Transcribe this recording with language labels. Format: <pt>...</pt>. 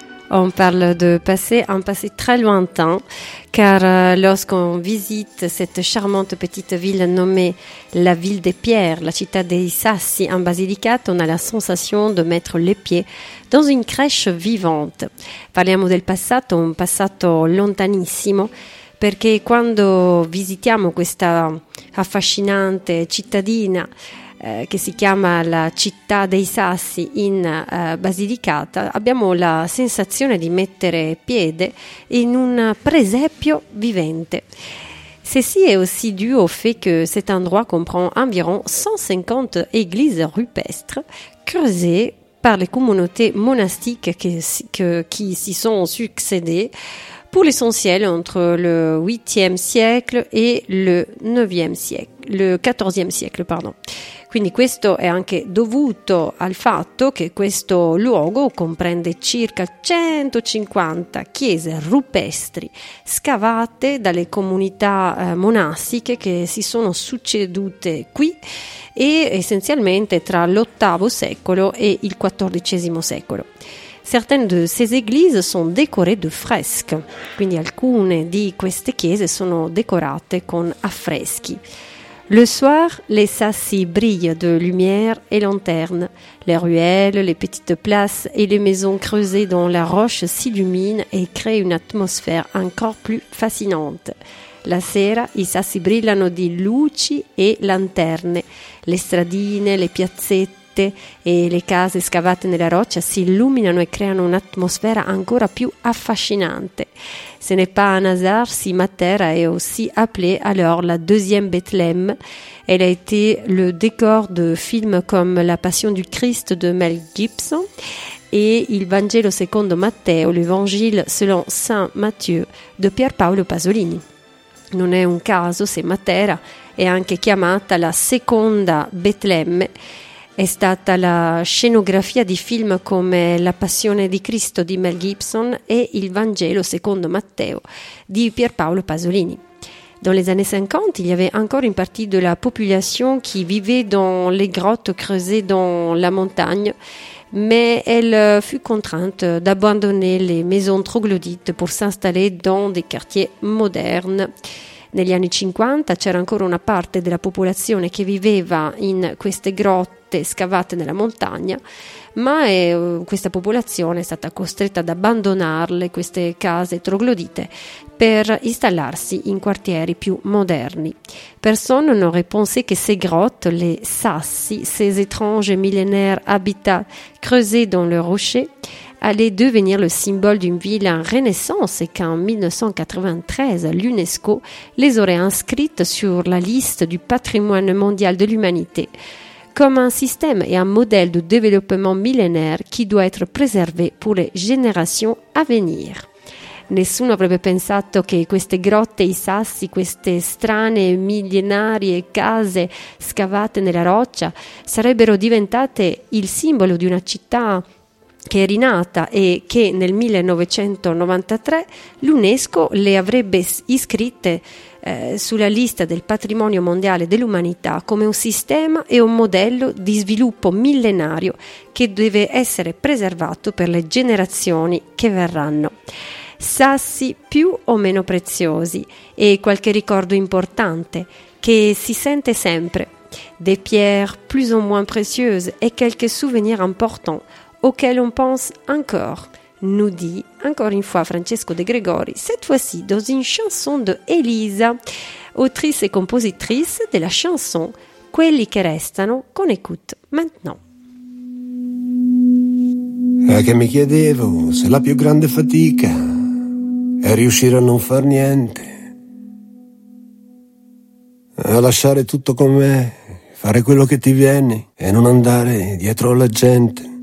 <fr>On parle de passé, un passé très lointain, car lorsqu'on visite cette charmante petite ville nommée la ville des pierres,</fr> <it>la città dei Sassi</it> <fr>en Basilicata, on a la sensation de mettre les pieds dans une crèche vivante.</fr> <it>Parliamo del passato, un passato lontanissimo, perché quando visitiamo questa affascinante cittadina che si chiama la città dei Sassi in Basilicata, abbiamo la sensazione di mettere piede in un presepio vivente.</it> <fr>Ceci est aussi dû au fait que cet endroit comprend environ 150 églises rupestres creusées par les communautés monastiques qui s'y sont succédées pour l'essentiel entre le 8e siècle et le 9e siècle, le 14e siècle pardon.</fr> <it>Quindi questo è anche dovuto al fatto che questo luogo comprende circa 150 chiese rupestri scavate dalle comunità monastiche che si sono succedute qui e essenzialmente tra l'VIII secolo e il XIV secolo.</it> <fr>Certaines de ces églises sont décorées de fresques,</fr> <it>quindi alcune di queste chiese sono decorate con affreschi.</it> <fr>Le soir, les sassis brillent de lumière et lanternes. Les ruelles, les petites places et les maisons creusées dans la roche s'illuminent et créent une atmosphère encore plus fascinante.</fr> <it>La sera i sassi brillano di luci e lanterne, le stradine, le piazzette e le case scavate nella roccia si illuminano e creano un'atmosfera ancora più affascinante.</it> <fr>Ce n'est pas un hasard si Matera est aussi appelée alors la deuxième Bethléem. Elle a été le décor de films comme La Passion du Christ de Mel Gibson et Il Vangelo secondo Matteo, l'Évangile selon Saint Matthieu de Pier Paolo Pasolini.</fr> <it>Non è un caso se Matera è anche chiamata la seconda Betlemme. È stata la scenografia di film come La Passione di Cristo di Mel Gibson e Il Vangelo secondo Matteo di Pier Paolo Pasolini.</it> <fr>Dans les années 50, il y avait encore une partie de la population qui vivait dans les grottes creusées dans la montagne, mais elle fut contrainte d'abandonner les maisons troglodites pour s'installer dans des quartiers modernes.</fr> <it>Negli anni 50 c'era ancora una parte della popolazione che viveva in queste grotte scavate nella montagna, ma questa popolazione è stata costretta ad abbandonarle, queste case troglodite, per installarsi in quartieri più moderni.</it> <fr>Personne n'aurait pensé que ces grottes, les sassi, ces étranges millénaires habitats creusés dans le rocher, allaient devenir le symbole d'une ville en renaissance et qu'en 1993, l'UNESCO les aurait inscrites sur la liste du patrimoine mondial de l'humanité comme un système et un modèle de développement millénaire qui doit être préservé pour les générations à venir.</fr> <it>Nessuno avrebbe pensato che queste grotte, i sassi, queste strane millenarie case scavate nella roccia sarebbero diventate il simbolo di una città che è rinata e che nel 1993 l'UNESCO le avrebbe iscritte sulla lista del patrimonio mondiale dell'umanità come un sistema e un modello di sviluppo millenario che deve essere preservato per le generazioni che verranno. Sassi più o meno preziosi e qualche ricordo importante che si sente sempre,</it> <fr>des pierres plus ou moins précieuses et quelques souvenirs importants auxquels on pense encore, nous dit encore une fois Francesco De Gregori, cette fois-ci dans une chanson de Elisa, autrice et compositrice de la chanson Quelli che restano, qu'on écoute maintenant.</fr> <it>È che mi chiedevo se la più grande fatica è riuscire a non far niente, a lasciare tutto com'è, fare quello che ti viene e non andare dietro alla gente.</it>